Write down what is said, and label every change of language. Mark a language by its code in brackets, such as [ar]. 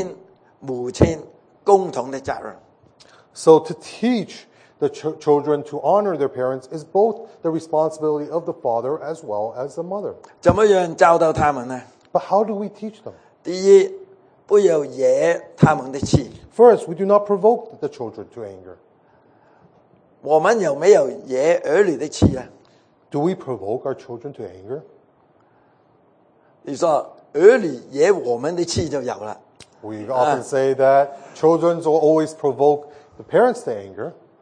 [zh] 所以这个帮助子女孝敬父母是父亲母亲共同的责任。 [en] So to teach the children to honor their parents is both the responsibility of the father as well as the mother. [zh] 怎么样教导他们呢？ [en] But how do we teach them? [zh] 第一， 不要惹他们的气。 [en] First, we do not provoke the children to anger. [zh] 我们有没有惹儿女的气啊？ [en] Do we provoke our children to anger? [zh] 你说儿女惹我们的气就有了。 [en] We often say that children will always provoke the parents to anger.